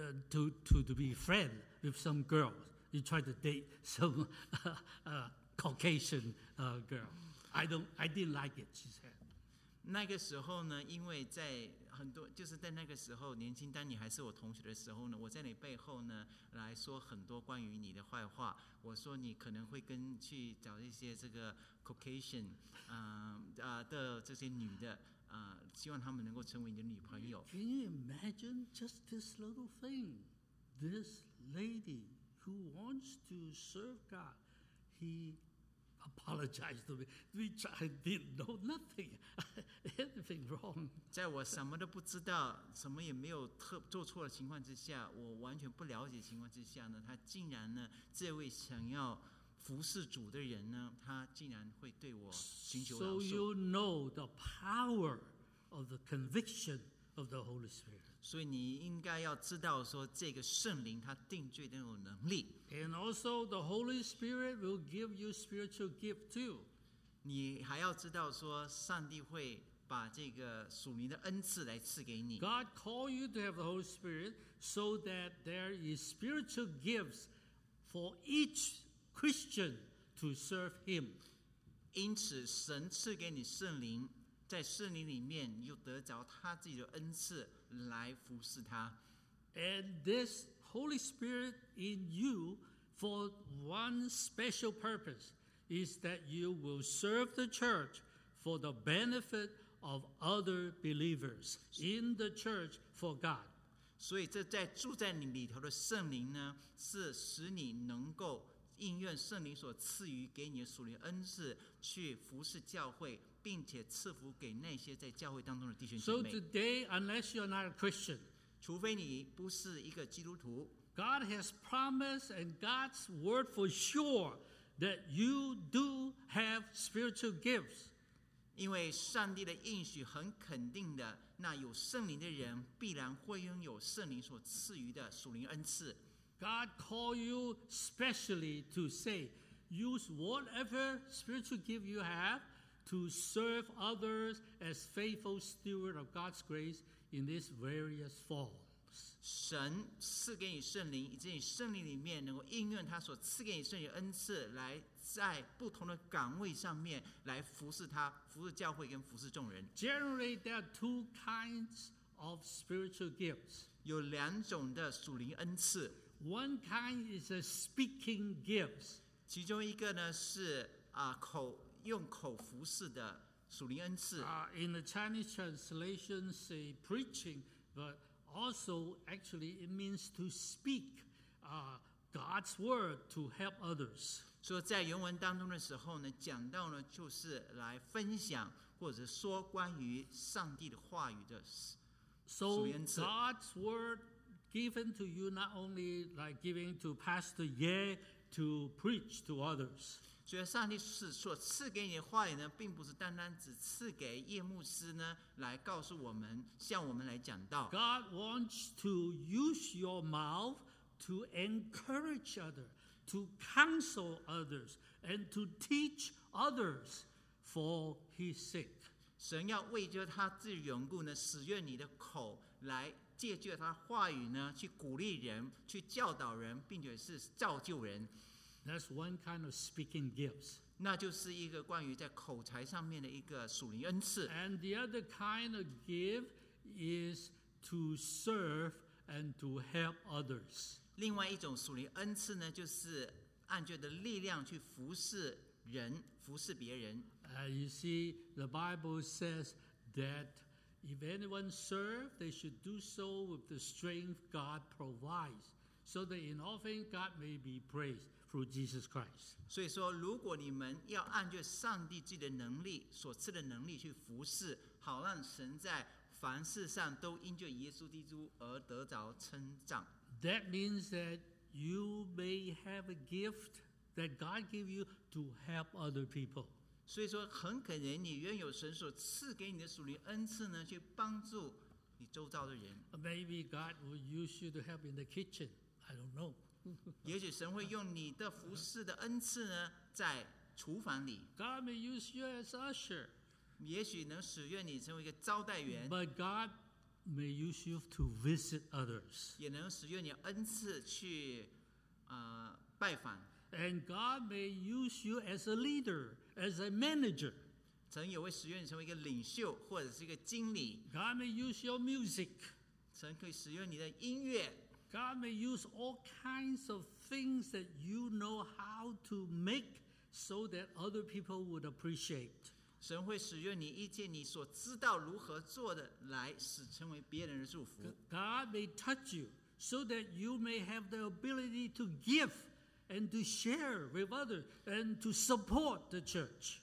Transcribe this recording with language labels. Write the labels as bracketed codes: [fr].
[en] To be friend with some girls, you try to date some Caucasian girl. I didn't like it. She said. [zh] 那个时候呢，因为在很多就是在那个时候年轻，当你还是我同学的时候呢，我在你背后呢来说很多关于你的坏话。我说你可能会跟去找一些这个 Caucasian 的这些女的希望他们能够成为你的女朋友。 [en] Can you imagine just this little thing? This lady who wants to serve God, he apologized to me, which I did know nothing, anything wrong. [zh] 在我什么都不知道，什么也没有做错的情况之下，我完全不了解的情况之下呢，他竟然呢，这位想要服侍主的人呢，他竟然会对我寻求饶恕。 [en] So you know the power of the conviction of the Holy Spirit. [zh] 所以你应该要知道说这个圣灵他定罪的那种能力。 [en] And also the Holy Spirit will give you spiritual gift too. [zh] 你还要知道说上帝会把这个属灵的恩赐来赐给你。 [en] God called you to have the Holy Spirit so that there is spiritual gifts for each Christian to serve him. [zh] 因此神赐给你圣灵，在圣灵里面又得着他自己的恩赐来服侍他。 [en] And this Holy Spirit in you for one special purpose is that you will serve the church for the benefit of other believers in the church for God. [zh] 所以这在住在你里头的圣灵呢，是使你能够应愿圣灵所赐予给你的属灵恩赐去服侍教会，并且赐福给那些在教会当中的弟兄姐妹。 [en] So today, unless you're not a Christian, [zh] 除非你不是一个基督徒， [en] God has promised and God's word for sure that you do have spiritual gifts. [zh] 因为上帝的应许很肯定的，那有圣灵的人必然会拥有圣灵所赐予的属灵恩赐。 [en] God called you specially to say, use whatever spiritual gift you have to serve others as faithful steward of God's grace in these various forms. [zh] 神赐给你圣灵，以及你圣灵里面能够应用他所赐给你圣灵的恩赐，来在不同的岗位上面来服侍他，服侍教会跟服侍众人。 [en] Generally, there are two kinds of spiritual gifts. [zh] 有两种的属灵恩赐。 [en] One kind is a speaking gifts. [zh] 其中一个呢是口用口服侍的属灵恩赐。 [en] In the Chinese translation, say preaching, but also actually it means to speak God's word to help others. [zh] 所以在原文当中的时候呢，讲到呢就是来分享或者说关于上帝的话语的属灵恩赐。 [en] So God's word. Given to you not only like giving to Pastor Ye to preach to others. [zh] 所以上帝所赐给你的话语呢，并不是单单只赐给叶牧师呢，来告诉我们，向我们来讲道。 [en] God wants to use your mouth to encourage others, to counsel others, and to teach others for His sake. [zh] 神要为着他自己缘故呢，使用你的口来。借着他话语呢，去鼓励人，去教导人，并且是造就人。 [en] That's one kind of speaking gifts. [zh] 那就是一个关于在口才上面的一个属灵恩赐。 [en] And the other kind of gift is to serve and to help others. [zh] 另外一种属灵恩赐呢，就是按着的力量去服侍人，服侍别人。 [en] You see, the Bible says that. If anyone serves, they should do so with the strength God provides, so that in all things God may be praised through Jesus Christ. [zh] 所以说，如果你们要按着上帝自己的能力所赐的能力去服侍，好让神在凡事上都因着耶稣基督而得着称赞。 [en] That means that you may have a gift that God gave you to help other people. [zh] 所以说很可能你原有神所赐给你的属灵恩赐呢，去帮助你周遭的人。 [en] Maybe God will use you to help in the kitchen, I don't know. [zh] 也许神会用你的服侍的恩赐呢，在厨房里。 [en] God may use you as usher, [zh] 也许能使用你成为一个招待员。 [en] But God may use you to visit others, [zh] 也能使用你恩赐去拜访。 [en] And God may use you as a leader, as a manager. [zh] 神也会使用你成为一个领袖或者是一个经理。 [en] God may use your music. [zh] 神可以使用你的音乐。 [en] God may use all kinds of things that you know how to make so that other people would appreciate. [zh] 神会使用你一切你所知道如何做的来使成为别人的祝福。 [en] God may touch you so that you may have the ability to give and to share with others and to support the church.